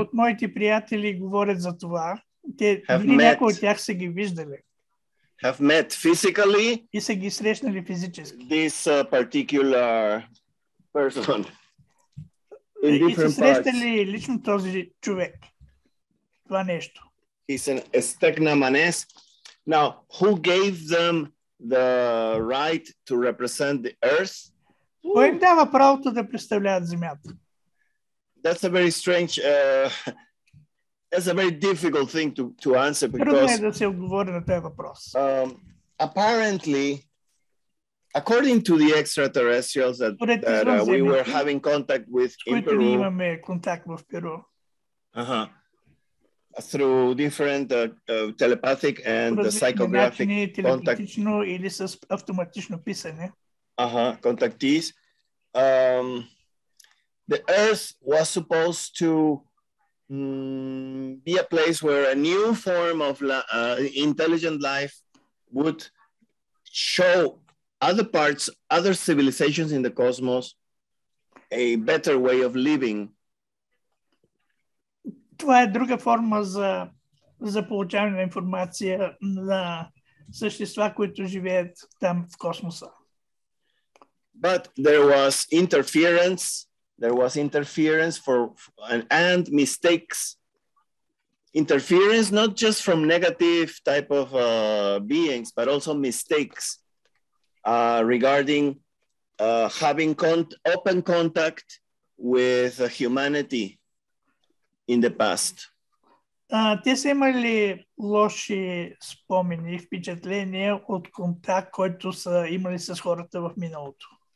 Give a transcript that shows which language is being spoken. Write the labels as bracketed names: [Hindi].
[Bulgarian] От моите приятели говорят за това. Те някои от тях са ги виждали. [English] Have met physically [Bulgarian] и са ги срещнали физически. [English] This particular person. [Bulgarian] И са срещнали лично този човек. Това нещо. [English] He's an estegnamanes. Now, who gave them the right to represent the earth? [Bulgarian] Кой им дава правото да представляват Земята? [English] That's a very strange That's a very difficult thing to answer because [Bulgarian] трудно е да се отговори на този въпрос. [English] Apparently, according to the extraterrestrials that we were having contact with in Peru, [Bulgarian] които имаме контакт в Перу, [English] through different telepathic and psychographic contact, [Bulgarian] телепатично или с автоматично писане, [English] contactees, the Earth was supposed to be a place where a new form of intelligent life would show other parts, other civilizations in the cosmos, a better way of living. [Bulgarian] Това е друга форма за получаване на информация на същества, които живеят там в космоса. [English] But there was interference. There was interference for and mistakes. Interference not just from negative type of beings, but also mistakes regarding having open contact with humanity in the past. [Bulgarian] Те са имали лоши спомени, впечатления от контакт, който са имали с хората в миналото.